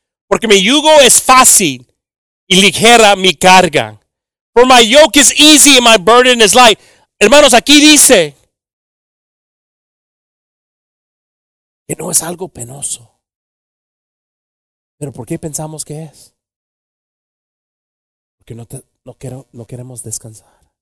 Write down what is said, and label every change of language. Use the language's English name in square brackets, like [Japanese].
[Spanish] Porque mi yugo es fácil y ligera mi carga. [English] For my yoke is easy and my burden is light. [Spanish] Hermanos, aquí dice que no es algo penoso. ¿Pero por qué pensamos que es? Porque no queremos descansar.